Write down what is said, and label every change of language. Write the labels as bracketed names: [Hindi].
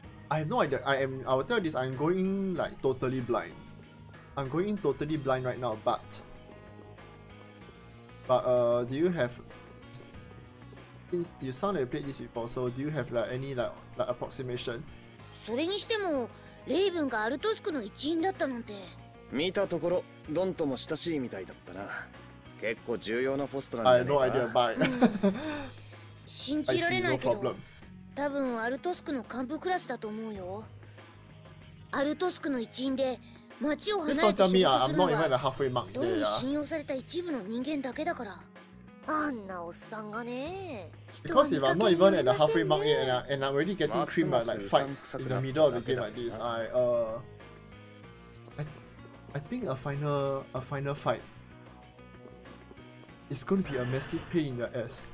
[English] I have no idea. I will tell you this, I'm going totally blind right now, but do you have, since you sound like you played this before, so do you have like any like approximation? [Japanese] それにしてもレイヴンがアルトスクの一員だったなんて。見たところドンとも親しいみたいだったな。結構重要なポストなんじゃないか。 [English] I have no idea, bye. [Japanese] 信じられないけど。多分アルトスクの幹部クラスだと思うよ。アルトスクの一員で町を離れて仕事するのは、どうに信用された一部の人間だけだから。あんなおっさんがね。 [English] Because if I'm not even at the halfway mark yet, and I'm already getting creamed by like fights in the middle of the game like this, I think a final fight is going to be a massive pain in the ass.